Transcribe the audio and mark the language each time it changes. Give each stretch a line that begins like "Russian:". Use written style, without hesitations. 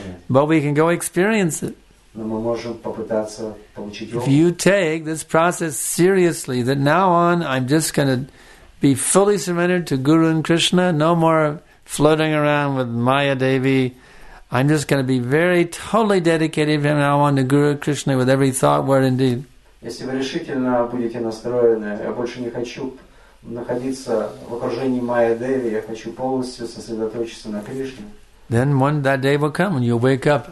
English: But we can go experience it. If you take this process seriously, that now on I'm just going to be fully surrendered to Guru and Krishna, no more floating around with Maya Devi. I'm just going to be very totally dedicated from now on to Guru and Krishna with every thought, word, and deed.
Russian: Если вы решительно будете настроены, я больше не хочу находиться в окружении Майя Деви, я хочу полностью сосредоточиться на Кришне.
English: Then one that day will come when you wake up.